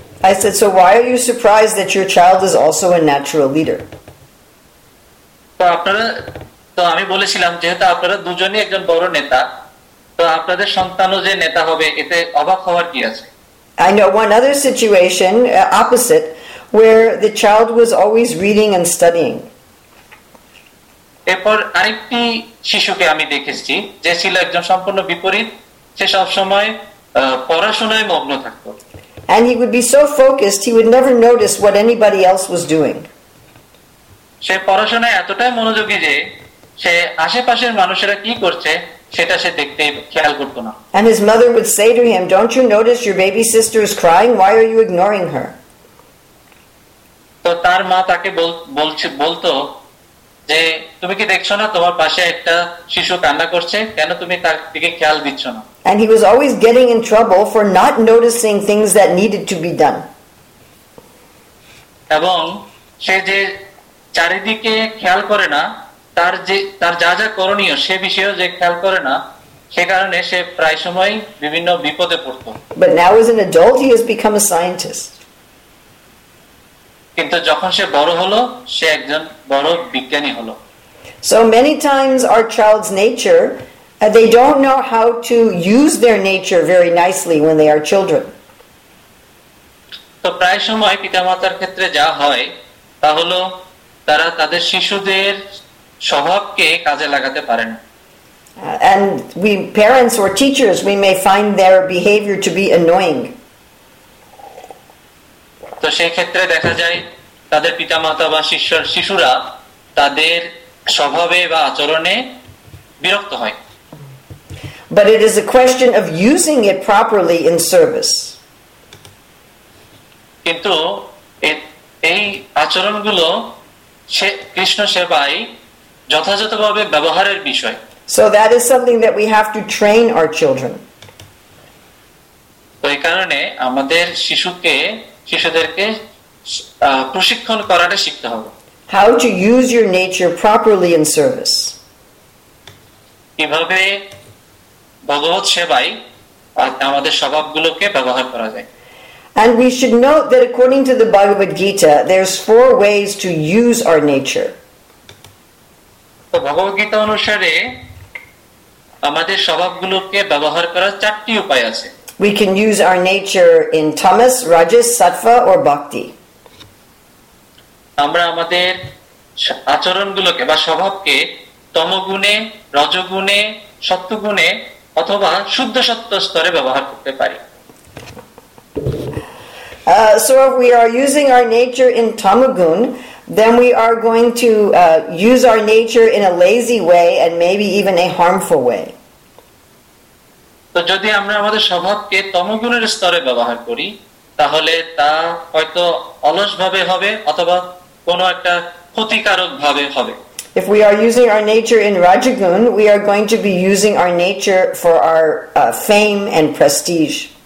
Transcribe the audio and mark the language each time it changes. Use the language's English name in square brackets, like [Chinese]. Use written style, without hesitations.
[English] I said, so why are you surprised that your child is also a natural leader? [Bangla] তো আপনারা তো আমি বলেছিলাম যেহেতু আপনারা দুজনেই একজন বড় নেতা তো আপনাদের সন্তানও যে নেতা হবে এতে অবাক হওয়ার কি আছে। [English] I know one other situation opposite where the child was always reading and studying. [Bangla] এরপর আরেকটি শিশুকে আমি দেখেছি যে ছিল একজন সম্পূর্ণ বিপরীত সে সবসময় পড়াশোনায় মগ্ন থাকতো। [English] And he would be so focused, he would never notice what anybody else was doing. [Bangla] সে পড়াশোনায় এতটায় মনোযোগী যে সে আশেপাশের মানুষেরা কি করছে সেটা সে দেখতে খেয়াল করত না। [English] And his mother would say to him, don't you notice your baby sister is crying? Why are you ignoring her? [Bangla] তো তার মা তাকে বলতো যে তুমি কি দেখছো না তোমার পাশে একটা শিশু কান্না করছে কেন তুমি তার দিকে খেয়াল দিচ্ছ না। [English] And he was always getting in trouble for not noticing things that needed to be done. [Bangla] এবং সে যে চারিদিকে খেয়াল করে না তার যে তার যা যা করণীয় সে বিষয়েও যে খেয়াল করে না সে কারণে সে প্রায় সময় বিভিন্ন বিপদে পড়ত। [English] But now as an adult he has become a scientist. [Bangla] কিন্তু যখন সে বড় হলো সে একজন বড় বিজ্ঞানী হলো। [English] So many times our child's nature they don't know how to use their nature very nicely when they are children. [Bangla] তো প্রায় সময় পিতামাতার ক্ষেত্রে যা হয় তা হলো তারা তাদের শিশুদের স্বভাবকে কাজে লাগাতে পারে না। [English] And we parents or teachers we may find their behavior to be annoying. [Bangla] তো সেই ক্ষেত্রে দেখা যায় তাদের পিতামাতা বা শিশুরা তাদের স্বভাবে বা আচরণে বিরক্ত হয়। [English] But it is a question of using it properly in service. [Bangla] কিন্তু এই আচরণগুলো কৃষ্ণ সেবায় যথাযথভাবে ব্যবহারের বিষয়। [English] So that is something that we have to train our children. [Bangla] তো এই কারণে আমাদের শিশুদেরকে প্রশিক্ষণ করাটা শিখতে হবে। [English] How to use your nature properly in service. [Bangla] কিভাবে ভগবত সেবায় আমাদের স্বভাবগুলোকে ব্যবহার করা যায়। [English] And we should note that according to the Bhagavad Gita, there's 4 ways to use our nature. [Bangla] তো ভগবত গীতা অনুসারে আমাদের স্বভাবগুলোকে ব্যবহার করার 4টি উপায় আছে। [English] We can use our nature in tamas, rajas, sattva or bhakti. [Bangla] আমরা আমাদের আচরণগুলোকে বা স্বভাবকে তমগুণে, রজগুণে, সত্ত্বগুণে অথবা শুদ্ধ সত্ত্ব স্তরে ব্যবহার করতে পারি. [English] So if we are using our nature in tamagun, then we are going to use our nature in a lazy way and maybe even a harmful way. [Bangla] তো যদি আমরা আমাদের স্বভাবকে তমগুণের স্তরে ব্যবহার করি তাহলে তা হয়তো অলসভাবে হবে অথবা কোনো একটা ক্ষতিকারক ভাবে হবে. [English] If we are using our nature in rajagun, we are going to be using our nature for our fame and prestige.